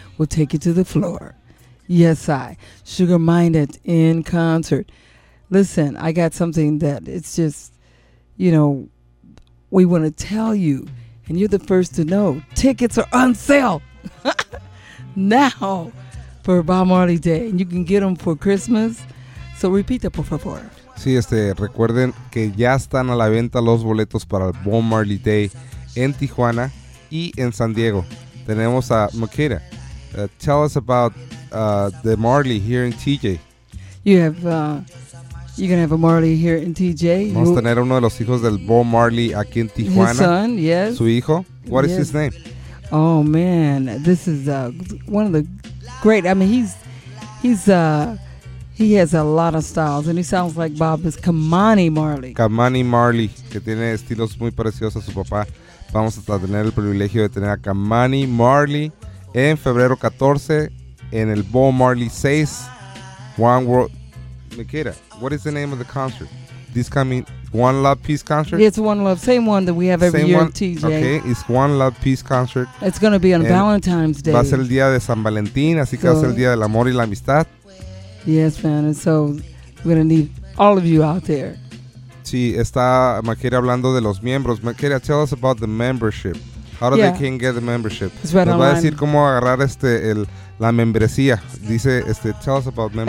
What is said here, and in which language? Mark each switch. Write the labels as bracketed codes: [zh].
[en] We'll take you to the floor. Yes, I. Sugar Minded in concert. Listen, I got something that it's just, you know, we want to tell you, and you're the first to know, tickets are on sale now for Bob Marley Day, and you can get them for Christmas. So repeat that, [es] por favor. Sí, recuerden que ya están a la venta los boletos para el Bob Marley Day en Tijuana y en San Diego. Tenemos a Makeda. [en] Tell us about the Marley here in TJ. You have, you're going to have a Marley here in TJ. [es] Vamos a tener uno de los hijos del Bob Marley aquí en Tijuana. [en] His son, yes. [es] Su hijo. [en] What is his name? Oh, man. This is one of the great. I mean, he has a lot of styles, and he sounds like Bob is Kamani Marley. [es] Kamani Marley, que tiene estilos muy parecidos a su papá. Vamos a tener el privilegio de tener a Kamani Marley en febrero 14 en el Bob Marley 6 One World. [en] Makeda, what is the name of the concert? This coming One Love Peace Concert? It's One Love, same one that we have every year at TJ. Okay, it's One Love Peace Concert. It's going to be on Valentine's Day. [es] Va a ser el día de San Valentín, así que va a ser el día del amor y la amistad. [en] Yes, man, and so we're going to need all of you out there. [es] Sí, está Makeda hablando de los miembros. Makeda, [en] tell us about the membership. How do they can get the membership? It's right online. [es] Va a decir cómo agarrar la membresía. Dice, [en] tell us about membership.